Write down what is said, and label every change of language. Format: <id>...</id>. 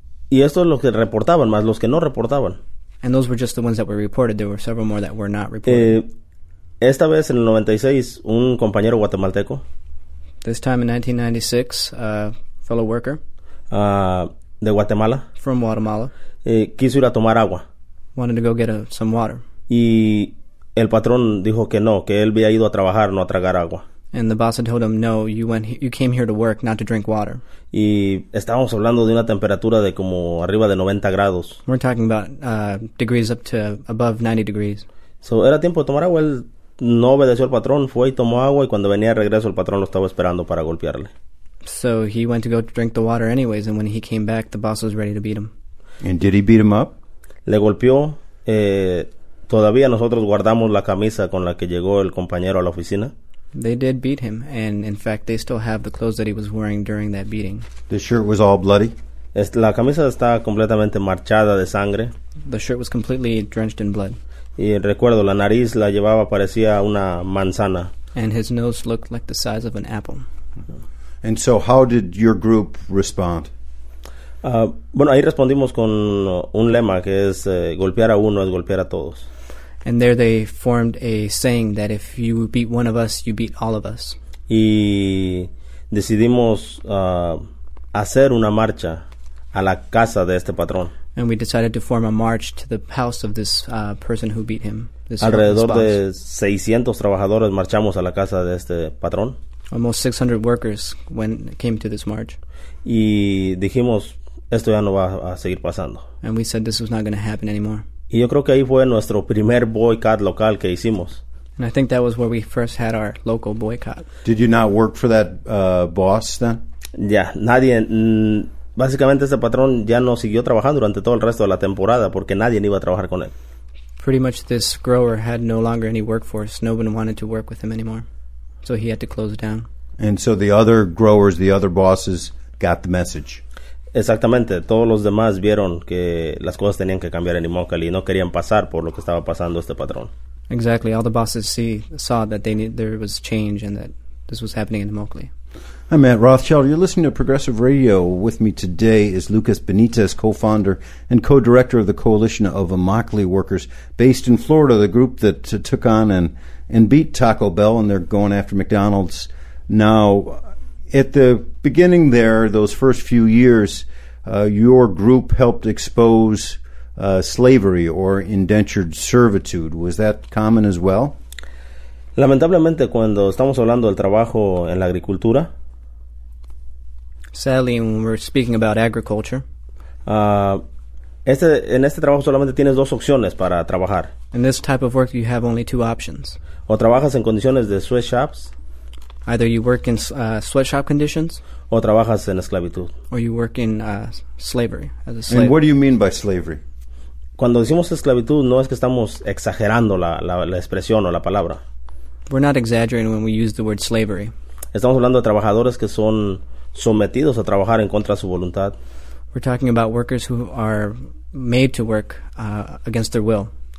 <es>Y esto es lo que reportaban, más los que no reportaban.</es> <en>And those were just the ones that were reported. There were several more that were not reported.</en> <es>Esta vez en el 96, un compañero guatemalteco.</es> <en>This time in 1996, a fellow worker.</en> <es>De Guatemala.</es> <en>From Guatemala.</en> <es>Quiso ir a tomar agua.</es> <en>Wanted to go get some water.</en> <es>Y el patrón dijo que no, que él había ido a trabajar, no a tragar agua.</es> <en>And the boss had told him, no, you came here to work, not to drink water.</en> <es>Y estábamos hablando de una temperatura de como arriba de 90 grados.</es> <en>We're talking about degrees up to above 90 degrees.</en> <es>So era tiempo de tomar agua. Él no obedeció al patrón, fue y tomó agua, y cuando venía de regreso el patrón lo estaba esperando para golpearle.</es> <en>So he went to go to drink the water anyways, and when he came back, the boss was ready to beat him. And did he beat him up?</en> <es>Le golpeó. Todavía nosotros guardamos la camisa con la que llegó el compañero a la oficina.</es> <en>They did beat him, and in fact, they still have the clothes that he was wearing during that beating. The shirt was all bloody.</en> <es>La camisa estaba completamente marchada de sangre.</es> <en>The shirt was completely drenched in blood.</en> <es>Y recuerdo, la nariz la llevaba, parecía una manzana.</es> <en>And his nose looked like the size of an apple. And so how did your group respond?</en> <es>Bueno, ahí respondimos con un lema que es golpear a uno es golpear a todos.</es> <en>And there they formed a saying that if you beat one of us, you beat all of us.</en> <es>Y decidimos hacer una marcha a la casa de este patrón.</es> <en>And we decided to form a march to the house of this person who beat him.</en> <es>Alrededor de 600 trabajadores marchamos a la casa de este patrón.</es> <en>Almost 600 workers came to this march.</en> <es>Y dijimos, esto ya no va a seguir pasando.</es> <en>And we said this was not going to happen anymore.</en> <es>Y yo creo que ahí fue nuestro primer boycott local que hicimos.</es> <en>And I think that was where we first had our local boycott. Did you not work for that boss then?</en> <es>Yeah, nadie... básicamente este patrón ya no siguió trabajando durante todo el resto de la temporada porque nadie iba a trabajar con él.</es> <en>Pretty much this grower had no longer any workforce. No one wanted to work with him anymore. So he had to close down. And so the other growers, the other bosses got the message.</en> <es>Exactamente. Todos los demás vieron que las cosas tenían que cambiar en Immokalee y no querían pasar por lo que estaba pasando este patrón.</es> <en>Exactly. All the bosses saw that there was change and that this was happening in Immokalee. I'm Matt Rothschild. You're listening to Progressive Radio. With me today is Lucas Benitez, co-founder and co-director of the Coalition of Immokalee Workers, based in Florida, the group that took on and beat Taco Bell, and they're going after McDonald's. Now, at the beginning there, those first few years, your group helped expose slavery or indentured servitude. Was that common as well?</en> <es>Lamentablemente, cuando estamos hablando del trabajo en la agricultura,</es> <en>sadly, when we're speaking about agriculture,</en> <es>en este trabajo solamente tienes dos opciones para trabajar.</es> <en>In this type of work, you have only two options.</en> <es>O trabajas en condiciones de sweatshops.</es> <en>Either you work in sweatshop conditions.</en> <es>O trabajas en esclavitud.</es> <en>Or you work in slavery as a slave. And what do you mean by slavery?</en> <es>Cuando decimos esclavitud, no es que estamos exagerando la expresión o la palabra.</es> <en>We're not exaggerating when we use the word slavery.</en> <es>Estamos hablando de trabajadores que son sometidos a trabajar en contra de su voluntad.</es> <en>We're talking about workers who are made to work against their will.</en>